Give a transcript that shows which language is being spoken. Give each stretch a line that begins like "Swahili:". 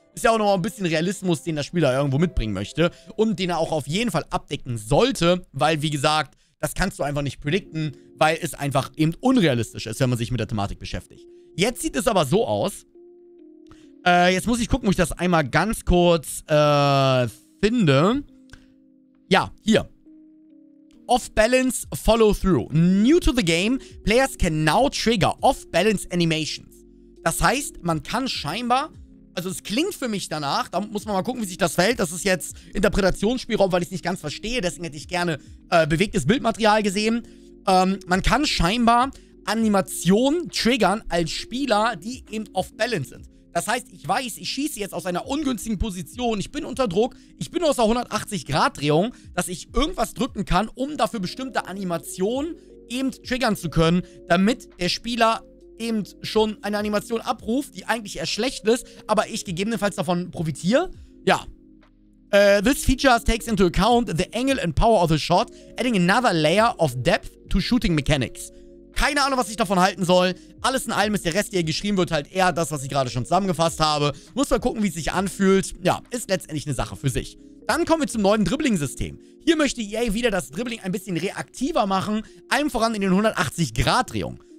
German: Ist ja auch nochmal ein bisschen Realismus, den der Spieler irgendwo mitbringen möchte und den er auch auf jeden Fall abdecken sollte, weil, wie gesagt, das kannst du einfach nicht predikten, weil es einfach eben unrealistisch ist, wenn man sich mit der Thematik beschäftigt. Jetzt sieht es aber so aus. Jetzt muss ich gucken, ob ich das einmal ganz kurz finde. Ja, hier.
English: Off-Balance Follow-Through. New to the game, players can now trigger off-balance animations.
German: Das heißt, man kann scheinbar, also es klingt für mich danach, da muss man mal gucken, wie sich das verhält. Das ist jetzt Interpretationsspielraum, weil ich es nicht ganz verstehe. Deswegen hätte ich gerne bewegtes Bildmaterial gesehen. Man kann scheinbar Animation triggern als Spieler, die eben off-balance sind. Das heißt, ich weiß, ich schieße jetzt aus einer ungünstigen Position, ich bin unter Druck, ich bin aus der 180-Grad-Drehung, dass ich irgendwas drücken kann, um dafür bestimmte Animationen eben triggern zu können, damit der Spieler eben schon eine Animation abruft, die eigentlich eher schlecht ist, aber ich gegebenenfalls davon profitiere. Ja.
English: This feature takes into account the angle and power of the shot, adding another layer of depth to shooting mechanics.
German: Keine Ahnung, was ich davon halten soll. Alles in allem ist der Rest, der hier geschrieben wird, halt eher das, was ich gerade schon zusammengefasst habe. Muss mal gucken, wie es sich anfühlt. Ja, ist letztendlich eine Sache für sich. Dann kommen wir zum neuen Dribbling-System. Hier möchte EA wieder das Dribbling ein bisschen reaktiver machen, allem voran in den 180-Grad-Drehungen.